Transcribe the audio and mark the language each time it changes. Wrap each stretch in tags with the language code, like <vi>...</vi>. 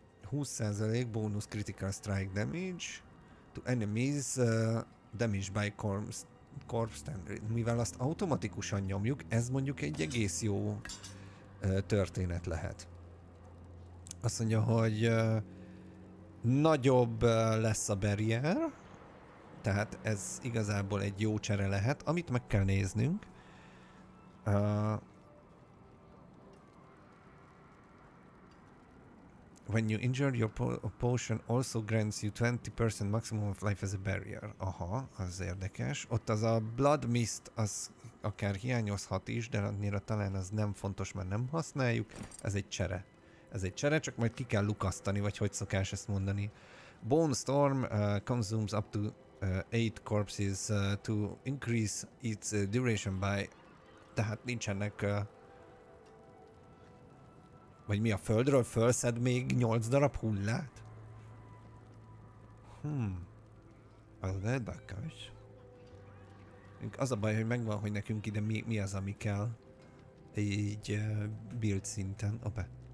<en>20% bonus critical strike damage to enemies damaged by Corpse Tendril.</en> <hu>Mivel azt automatikusan nyomjuk, ez mondjuk egy egész jó történet lehet. Azt mondja, hogy nagyobb lesz a barrier, tehát ez igazából egy jó csere lehet, amit meg kell néznünk.</hu> <en>When you injure your potion also grants you 20% maximum of life as a barrier.</en> <hu>Aha, az érdekes. Ott az a blood mist, az akár hiányozhat is, de annyira talán az nem fontos, mert nem használjuk. Ez egy csere. Ez egy csere, csak majd ki kell lukasztani, vagy hogy szokás ezt mondani.</hu> <en>Bone storm consumes up to 8 corpses to increase its duration by...</en> <hu>Tehát nincsenek... vagy mi a földről? Fölszed még 8 darab hullát? Az érdekes. Az a baj, hogy megvan, hogy nekünk ide mi az, ami kell. Így build szinten. Opa.</hu>